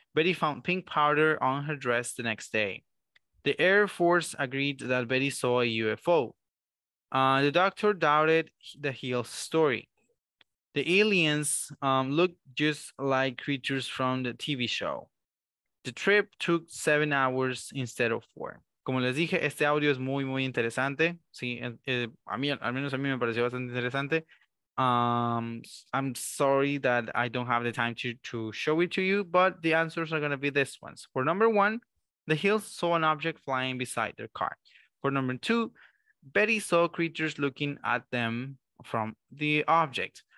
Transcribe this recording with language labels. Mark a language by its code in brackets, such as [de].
[en] Betty found pink powder on her dress the next day. The Air Force agreed that Betty saw a UFO. The doctor doubted the hill's story. The aliens looked just like creatures from the TV show. The trip took 7 hours instead of 4. [es] Como les dije, este audio es muy, muy interesante. Sí, a mí, al menos a mí me pareció bastante interesante. [en] I'm sorry that I don't have the time to show it to you, but the answers are going to be this ones. For number one, the hills saw an object flying beside their car. For number two, Betty saw creatures looking at them from the object.